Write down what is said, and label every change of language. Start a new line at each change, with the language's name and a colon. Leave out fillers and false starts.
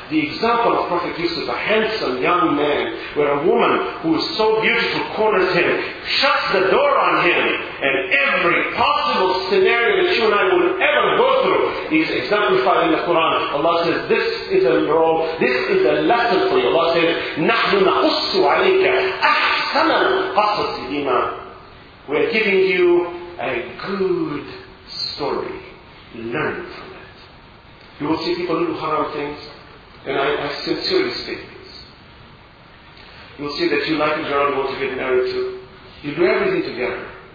English: The example of Prophet Yusuf, a handsome young man, where a woman who is so beautiful corners him, shuts the door on him, and every possible scenario that you and I would ever go through is exemplified in the Quran. Allah says, this is a role, this is a lesson for you.
Arabic: Allah says, نَحْنُ نَقُصُّ عَلَيْكَ أَحْسَنَ قَصَصِ الْإِيمَانِ.
English: We are giving you a good story. Learn from it. You will see people do haram things, and I sincerely state this. You will see that you like a girl you want to get married to. You do everything together.